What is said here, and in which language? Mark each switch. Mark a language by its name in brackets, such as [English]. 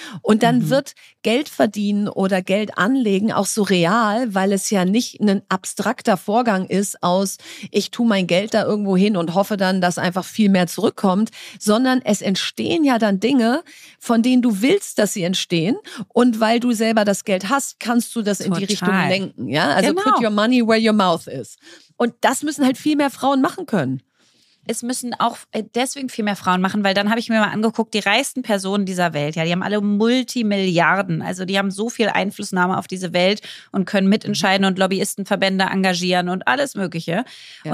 [German] Und dann wird Geld verdienen oder Geld anlegen auch so real, weil es ja nicht ein abstrakter Vorgang ist aus, ich tue mein Geld da irgendwo hin und hoffe dann, dass einfach viel mehr zurückkommt, sondern es entstehen ja dann Dinge, von denen du willst, dass sie entstehen, und weil du selber das Geld hast, kannst du das in die Richtung lenken. Ja? Also [English] put your money where your mouth is. [German] Und das müssen halt viel mehr Frauen machen können. Es müssen auch deswegen viel mehr Frauen machen, weil dann habe ich mir mal angeguckt, die reichsten Personen dieser Welt, ja, die haben alle Multimilliarden, also die haben so viel Einflussnahme auf diese Welt und können mitentscheiden und Lobbyistenverbände engagieren und alles Mögliche. Ja.